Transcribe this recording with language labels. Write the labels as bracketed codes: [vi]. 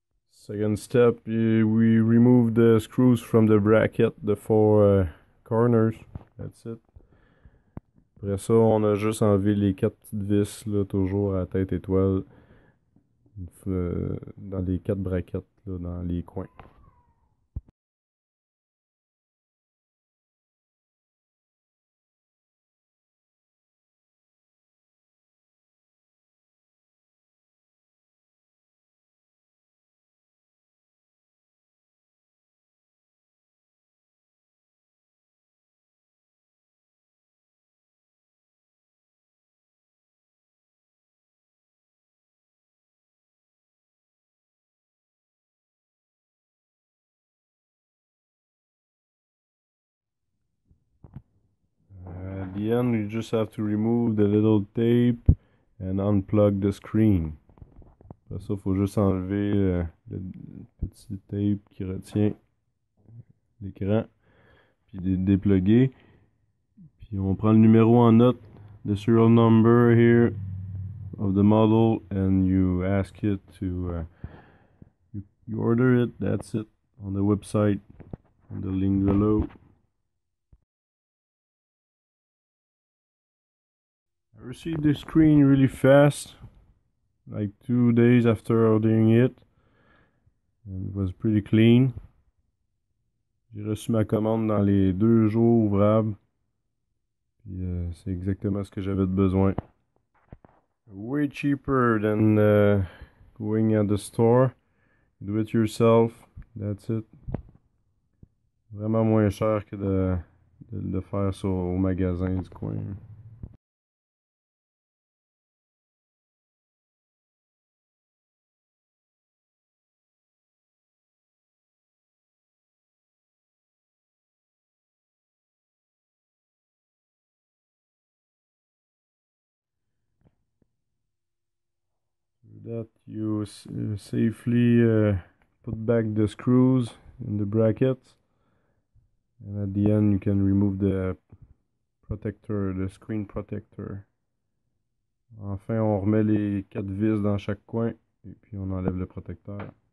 [en] Second step, we remove the screws from the bracket, the four corners. That's it. [fr] Après ça, on a juste enlevé les quatre petites vis, là, toujours à tête étoile, dans les quatre braquettes, là, dans les coins. [en] The end, you just have to remove the little tape and unplug the screen. [fr] Après ça, faut juste enlever le petit tape qui retient l'écran, puis dépluguer. Puis on prend le numéro en note, [en] the serial number here of the model, and you ask it to you order it. That's it on the website, on the link below. I received the screen really fast, like 2 days after ordering it, and it was pretty clean. [fr] J'ai reçu ma commande dans les 2 jours ouvrables, puis c'est exactement ce que j'avais besoin. [en] Way cheaper than going at the store. Do it yourself, that's it. [fr] Vraiment moins cher que de faire ça au magasin du coin. [en] That you safely put back the screws in the brackets, and at the end, you can remove the protector, the screen protector. [fr] Enfin, on remet les quatre vis dans chaque coin, et puis on enlève le protecteur.